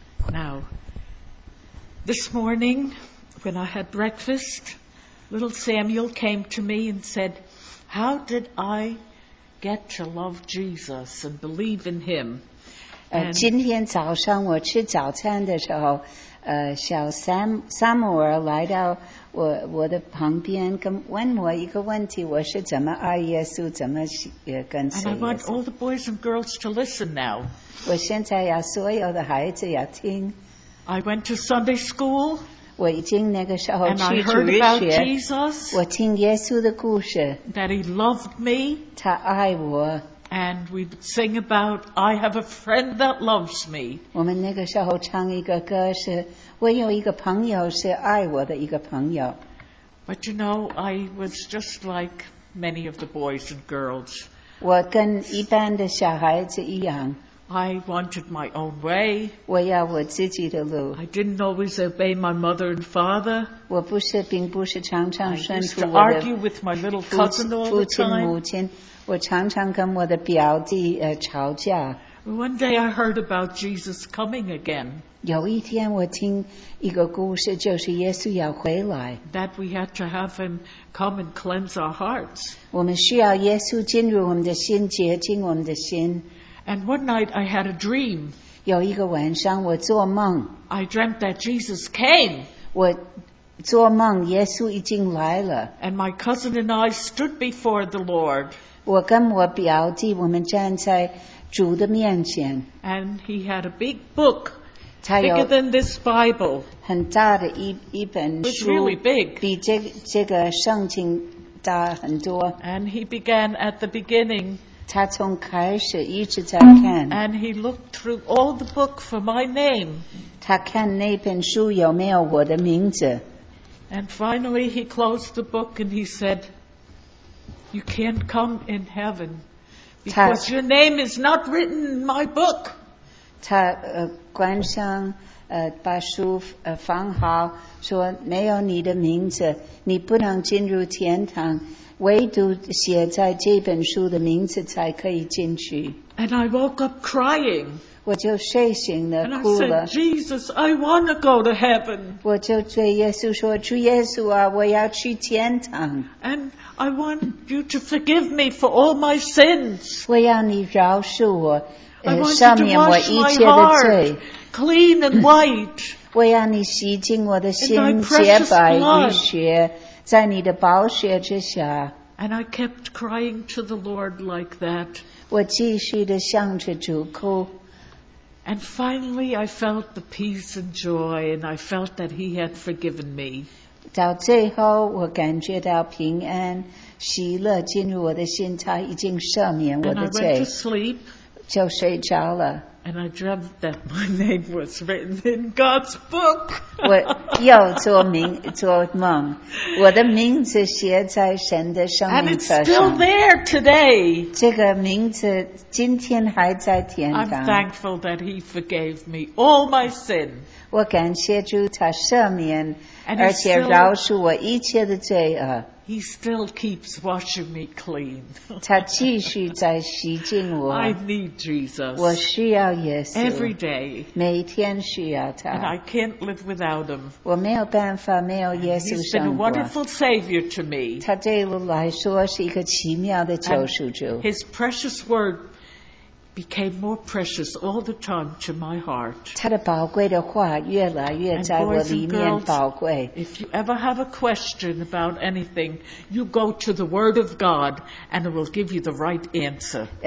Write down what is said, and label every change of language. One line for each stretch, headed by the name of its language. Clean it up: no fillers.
English: Now, this morning, when I had breakfast, little Samuel came to me and said, "How did I get to love Jesus and believe in him?"
Chinese: 今天早上我吃早餐的时候，小 Samuel 来到我的旁边，问我一个问题：我是怎么爱耶稣，怎么跟随耶稣
English: ？And I want all the boys and girls to listen now.
Chinese: 我现在要所有的孩子要听。
English: I went to Sunday school.
Chinese: 我已经那个时候去主日学。
English: And I heard about Jesus.
Chinese: 我听耶稣的故事。
English: That he loved me.
Chinese: 他爱我。
English: And we would sing about, "I have a friend that loves me."
Chinese: 我们那个时候唱一个歌是，我有一个朋友是爱我的一个朋友。
English: But you know, I was just like many of the boys and girls.
Chinese: 我跟一般的小孩子一样。
English: I wanted my own way.
Chinese: 我要我自己的路。
English: I didn't always obey my mother and father.
Chinese: 我不是并不是常常顺服我的。
English: I used to argue with my little cousin all the time.
Chinese: 父亲母亲。我常常跟我的表弟吵架。
English: One day I heard about Jesus coming again.
Chinese: 有一天我听一个故事，就是耶稣要回来。
English: That we had to have him come and cleanse our hearts.
Chinese: 我们需要耶稣进入我们的心，洁净我们的心。
English: And one night I had a dream.
Chinese: 有一个晚上我做梦。
English: I dreamt that Jesus came.
Chinese: 我做梦耶稣已经来了。
English: And my cousin and I stood before the Lord.
Chinese: 我跟我表弟，我们站在主的面前。
English: And he had a big book, bigger than this Bible.
Chinese: 很大的一本书。
English: It was really big.
Chinese: 比这个圣经大很多。
English: And he began at the beginning.
Chinese: 他从开始一直在看。
English: And he looked through all the book for my name.
Chinese: 他看那本书有没有我的名字。
English: And finally he closed the book and he said,You can't come in heaven because your name is not written in my book.
Chinese: 他关上把书放好，说没有你的名字，你不能进入天堂。唯独写在这本书的名字才可以进去。
English: And I woke up crying.
Chinese: 我就睡醒了，哭了。
English: And I said, Jesus, I want to go to heaven.
Chinese: 我就对耶稣说，主耶稣啊，我要去天堂。
English: And I want you to forgive me for all my sins.
Chinese: 我要你饶恕我，赦免我一切的罪。
English: Clean and white.
Chinese: 我要你洗净我的心，洁白如雪，在你的宝血之下。
English: And I kept crying to the Lord like that.
Chinese: 我继续地向着主哭。
English: And finally I felt the peace and joy, and I felt that he had forgiven me.
Chinese: 到最后，我感觉到平安、喜乐进入我的心，他已经赦免我的罪。
English: And I went to sleep,
Chinese: 就睡着了。
English: And I dreamt that my name was written in God's book.
Chinese: 我又做梦，我的名字写在神的圣名册上。
English: And it's still there today.
Chinese: 这个名字今天还在天堂。
English: I'm thankful that he forgave me all my sin.
Chinese: 我感谢主，他赦免。而且饶恕我一切的罪恶。
English: He still keeps washing me clean.
Chinese: 他继续在洗净我。
English: I need Jesus.
Chinese: 我需要耶稣。
English: Every day.
Chinese: 每天需要他。
English: And I can't live without him.
Chinese: 我没有办法没有耶稣生活。
English: He's been a wonderful savior to me.
Chinese: 他对我来说是一个奇妙的救赎主。
English: And his precious word became more precious all the time to my heart.
Chinese: 他的宝贵的话越来越在我里面宝贵。
English: And boys and girls, if you ever have a question about anything, you go to the Word of God, and it will give you the right answer.